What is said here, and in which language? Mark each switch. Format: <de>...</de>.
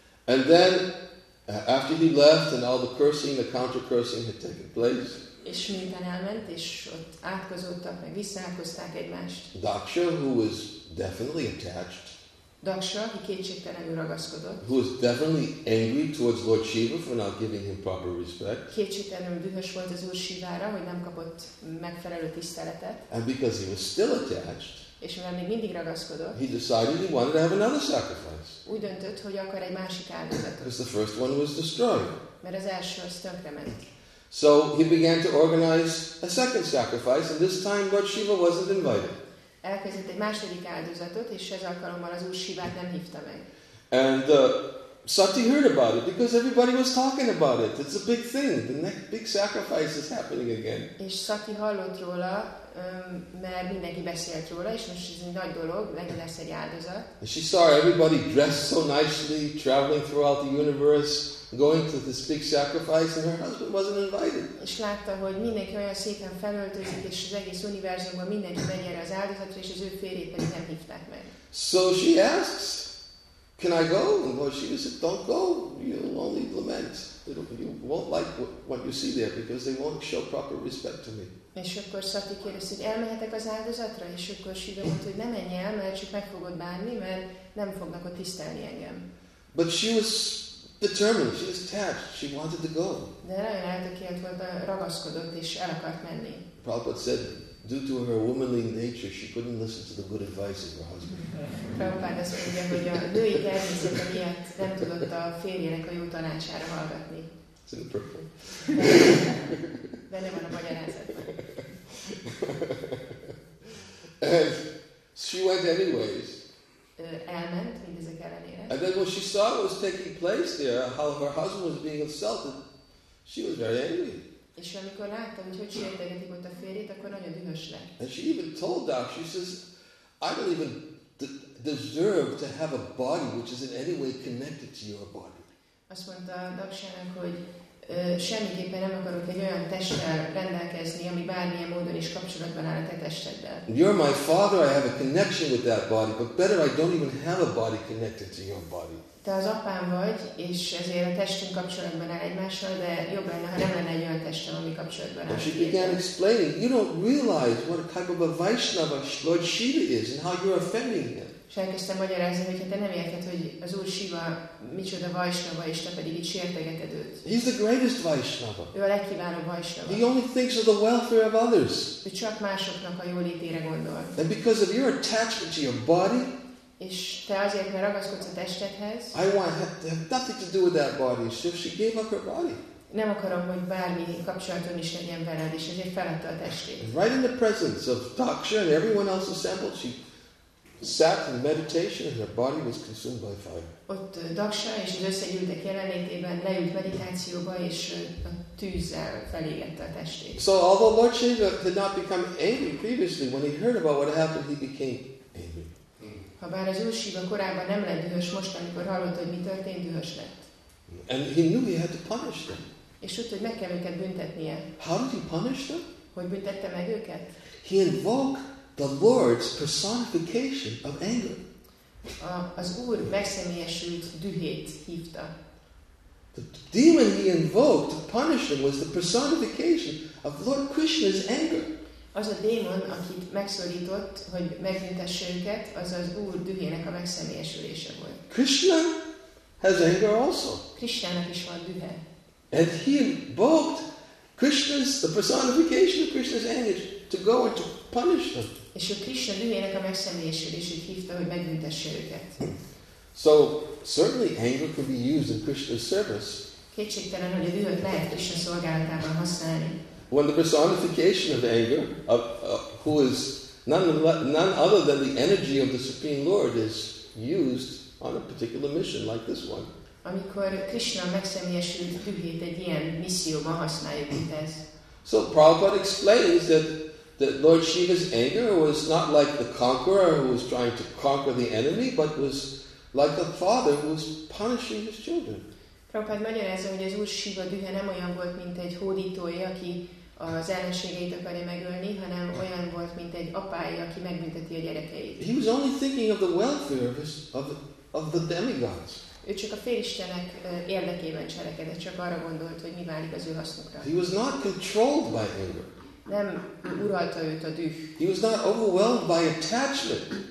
<en>And then, after he left and all the cursing, the counter-cursing had taken place,</en> <hu>és miután elment, és ott átkozódtak, meg visszaátkozták egymást,</hu> <en>Daksha, who was definitely attached,</en> <hu>Daksha, aki kétségtelenül ragaszkodott,</hu> <en>who was definitely angry towards Lord Shiva for not giving him proper respect,</en> <hu>kétségtelenül dühös volt az Úr Shivára, hogy nem kapott megfelelő tiszteletet,</hu> <en>and because he was still attached,</en> <hu>és mivel még mindig ragaszkodott,</hu> <en>he decided he wanted to have another sacrifice.</en> <hu>Úgy döntött, hogy akar egy másik áldozatot.</hu> <en>Because the first one was destroyed.</en> <hu>Mert az első az tönkrement.</hu> <en>So he began to organize a second sacrifice, and this time Lord Shiva wasn't invited.</en> <hu>Elkezdett egy második áldozatot, és ez alkalommal az Úr Shivát nem hívta meg.</hu> <en>And Sati heard about it because everybody was talking about it. It's a big thing. The next big sacrifice is happening again.</en> <hu>És Sati hallott róla, mert mindenki beszélt róla, és most ez egy nagy dolog, megint lesz egy áldozat.</hu> <en>And she saw everybody dressed so nicely, traveling throughout the universe, going to this big sacrifice, and her husband wasn't invited.</en> <hu>És látta, hogy mindenki olyan szépen felöltözik, és az egész univerzumban mindenki megy erre az áldozatra, és az ő férjét pedig nem hívták meg.</hu> <en>So she asks, can I go? And Lord Shiva said, don't go. You'll only lament. You won't like what you see there because they won't show proper respect to me.</en> <hu>És akkor Sati kérdezte, hogy elmehetek az áldozatra? És akkor Shiva mondta, hogy ne menj el, mert csak meg fogod bánni, mert nem fognak ott tisztelni engem.</hu> <en>But she was determined. She was attached. She wanted to go.</en> <hu>De nagyon eltökélt volt, ragaszkodott és el akart menni.</hu> <en>Prabhupada said, due to her womanly nature, she couldn't listen to the good advice of her husband.</en> <hu>Prabhupada azt mondja, hogy a női természet miatt nem tudott a férjének a jó tanácsára hallgatni.</hu> <en>It's in the purple.</en> <hu>Benne van a magyarázatban.</hu> <en>And she went anyways.</en> <hu>Elment mindezek ellenére.</hu> <en>And then when she saw what was taking place there, how her husband was being assaulted, she was very angry.</en> <hu>És amikor láttam, hogy sértegetik ott a férjét, akkor nagyon dühös lett.</hu> <en>And she even told Daksha, she says, I don't even deserve to have a body which is in any way connected to your body.</en> <hu>Azt mondta Dakshának, hogy semmiképpen nem akarok egy olyan testtel rendelkezni, ami bármilyen módon is kapcsolatban áll a te testeddel.</hu> <en>You're my father, I have a connection with that body, but better I don't even have a body connected to your body.</en> <hu>Te az apám vagy, és ezért a testünk kapcsolatban áll egymással, de jobb lenne, ha nem lenne egy olyan testem, ami kapcsolatban áll.</hu> <en>And she began explaining, you don't realize what type of a Vaishnava Lord Shiva is, and how you're offending him.</en> <hu>És elkezdtem magyarázni, hogy te nem érted, hogy az Úr Shiva micsoda Vaishnava, és te pedig itt sértegeted őt.</hu> <en>He's the greatest Vaishnava.</en> <hu>Ő a legkiválóbb Vaishnava.</hu> <en>He only thinks of the welfare of others.</en> <hu>Ő csak másoknak a jólétére gondol.</hu> <en>And because of your attachment to your body,</en> <hu>és te azért, mert ragaszkodsz a testedhez,</hu> <en>I want to have nothing to do with that body. So she gave up her body.</en> <hu>Nem akarom, hogy bármi kapcsolatom is legyen veled, és ezért feladta a testét.</hu> <en>And right in the presence of Daksha and everyone else assembled, she sat in meditation and her body was consumed by fire.</en> <hu>Ott Daksha és az összegyűltek jelenlétében leült meditációba, és a tűzzel felégette a testét.</hu> <en>So although Lord Shiva did not become angry previously, when he heard about what happened, he became angry.</en> <hu>Ha bár az Úr Shiva korábban nem lett dühös, most, amikor hallott, hogy mi történt, dühös lett.</hu> <en>And he knew he had to punish them.</en> <hu>És tudta, hogy meg kell őket büntetnie.</hu> <en>How did he punish them?</en> <hu>Hogy büntette meg őket?</hu> <en>He invoked the Lord's personification of anger.</en> <hu>Az Úr megszemélyesült dühét hívta.</hu> <en>The demon he invoked to punish them was the personification of Lord Krishna's anger.</en> <hu>Az a démon, akit megszólított, hogy megbüntesse őket, az az Úr dühének a megszemélyesülése volt.</hu> <en>Krishna has anger also.</en> <hu>Krishnának is van dühe.</hu> <en>And he invoked Krishna's, the personification of Krishna's anger, to go and to punish them.</en> <hu>És a Krishna dühének a megszemélyesülését hívta, hogy megbüntesse őket.</hu> <en>So, certainly anger could be used in Krishna's service.</en> <hu>Kétségtelen, hogy a dühöt lehet Krishna szolgálatában használni.</hu> <en>When the personification of anger, who is none other than the energy of the Supreme Lord, is used on a particular mission like this one.</en> <hu>Amikor Krishna megszemélyesült dühét egy ilyen misszióban használjuk, mint ez.</hu> <en>So Prabhupada explains that Lord Shiva's anger was not like the conqueror who was trying to conquer the enemy, but was like the father who was punishing his children.</en> <hu>Prabhupada magyarázza, hogy az Úr Shiva dühe nem olyan volt, mint egy hódítója, aki az ellenségeit akarja megölni, hanem olyan volt, mint egy apája, aki megbünteti a gyerekeit.</hu> <en>He was only thinking of the welfare of the demigods.</en> <hu>Ő csak a félistenek érdekében cselekedett, csak arra gondolt, hogy mi válik az ő hasznukra.</hu> <en>He was not controlled by anger.</en> <hu>Nem uralta őt a düh.</hu> <en>He was not overwhelmed by attachment.</en>